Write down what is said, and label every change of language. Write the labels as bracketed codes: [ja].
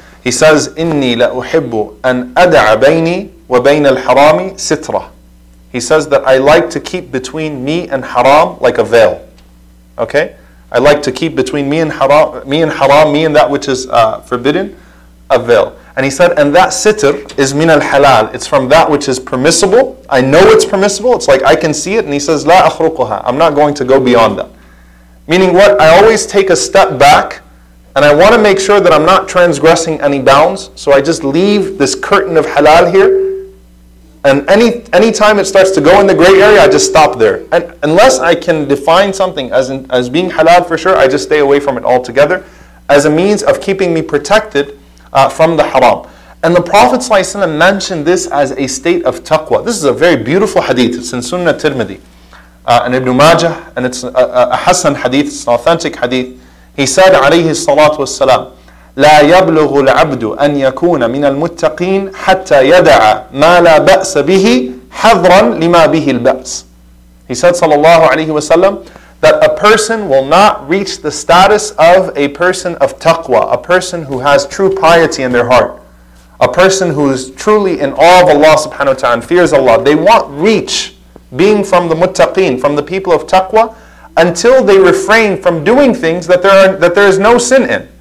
[en] He says, [ar] إِنِّي لَأُحِبُّ أَنْ أَدَعَ بَيْنِي وَبَيْنَ الْحَرَامِ سِتْرَةً. [en] He says that I like to keep between me and haram like a veil. Okay? I like to keep between me and that which is forbidden, a veil. And he said, and that sitr is min al-halal. It's from that which is permissible. I know it's permissible. It's like I can see it. And he says, [ar] la akhruquha. [en] I'm not going to go beyond that. Meaning what? I always take a step back and I want to make sure that I'm not transgressing any bounds. So I just leave this curtain of halal here And any time it starts to go in the gray area, I just stop there. And unless I can define something as being halal for sure, I just stay away from it altogether as a means of keeping me protected from the haram. And the Prophet ﷺ mentioned this as a state of taqwa. This is a very beautiful hadith. It's in Sunnah Tirmidhi and Ibn Majah. And it's a Hassan hadith. It's an authentic hadith. He said, [ar] alayhi salatu wassalam, لا يبلغ العبد أن يكون من المتقين حتى يدع ما لا بأس به حذرا لما به البأس. [en] He said, sallallahu alayhi wasallam, that a person will not reach the status of a person of taqwa, a person who has true piety in their heart, a person who is truly in awe of Allah subhanahu wa ta'ala and fears Allah. They won't reach being from the muttaqeen, from the people of taqwa, until they refrain from doing things that there is no sin in.